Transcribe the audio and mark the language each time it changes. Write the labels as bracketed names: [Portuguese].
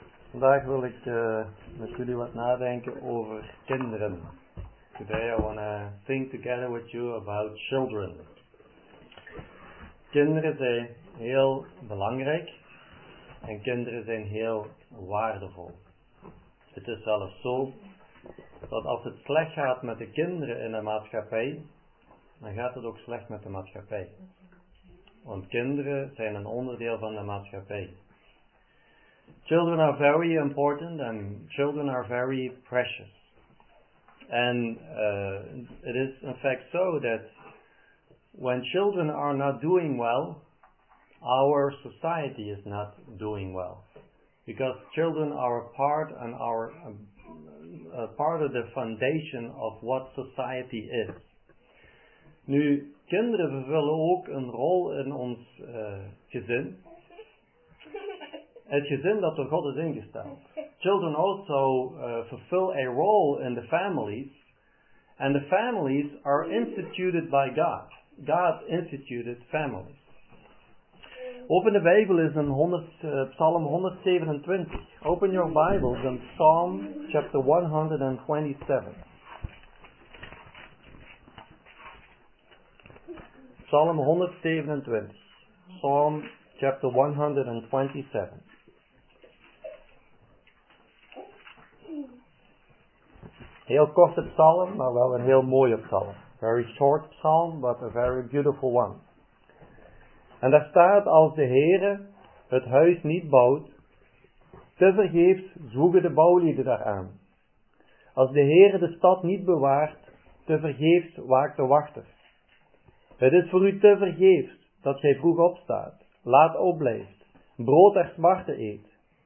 [Dutch] Vandaag wil ik met jullie wat nadenken over kinderen. [English] Today I want to think together with you about children. [Dutch] Kinderen zijn heel belangrijk en kinderen zijn heel waardevol. Het is zelfs zo dat als het slecht gaat met de kinderen in de maatschappij, dan gaat het ook slecht met de maatschappij. Want kinderen zijn een onderdeel van de maatschappij. [English] Children are very important and children are very precious. And it is in fact so that when children are not doing well, our society is not doing well. Because children are a part of the foundation of what society is. [Dutch] Nu, kinderen vervullen ook een rol in ons gezin. Het gezin dat door God is ingesteld. [English] Children also fulfill a role in the families. And the families are instituted by God. God instituted families. Open the Bible is in Psalm 127. Open your Bibles in Psalm chapter 127. Psalm 127. Psalm chapter 127. [Dutch] Heel korte psalm, maar wel een heel mooie psalm. [English] Very short psalm, but a very beautiful one. [Dutch] En daar staat, als de Heere het huis niet bouwt, tevergeefs zwoegen de bouwlieden daaraan. Als de Heere de stad niet bewaart, tevergeefs waakt de wachter. Het is voor u tevergeefs dat gij vroeg opstaat, laat opblijft, brood der smarte eet.